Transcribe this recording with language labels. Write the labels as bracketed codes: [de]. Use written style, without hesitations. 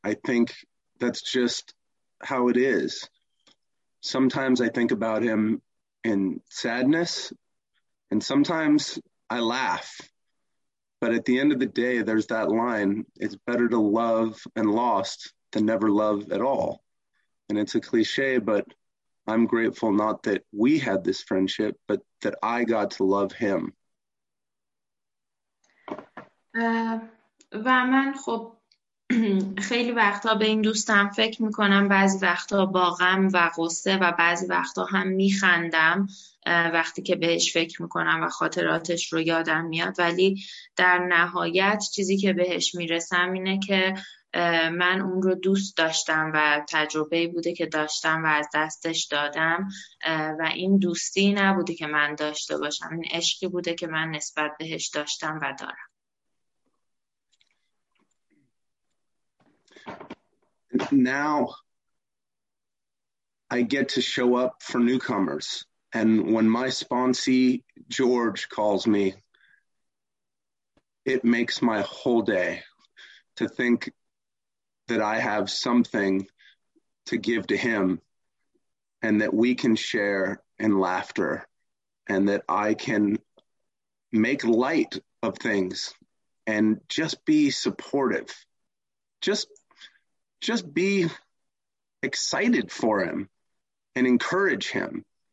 [en] I think that's just how it is. Sometimes I think about him in sadness, and sometimes I laugh. But at the end of the day, there's that line, it's better to love and lost than never love at all. And it's a cliche, but I'm grateful not that we had this friendship, but that I got to love him. [fa] و من خب خیلی وقتا به این دوستم فکر میکنم، بعضی وقتا با غم و غصه و بعضی وقتا هم میخندم وقتی که بهش فکر میکنم و خاطراتش رو یادم میاد، ولی در نهایت چیزی که بهش میرسم اینه که من اون رو دوست داشتم و تجربه بوده که داشتم و از دستش دادم و این دوستی نبوده که من داشته باشم، این عشقی بوده که من نسبت بهش داشتم و دارم. [en] Now I get to show up for newcomers, and when my sponsee George calls me, it makes my whole day to think that I have something to give to him, and that we can share in laughter, and that I can make light of things and just be supportive, just be excited for him and encourage him.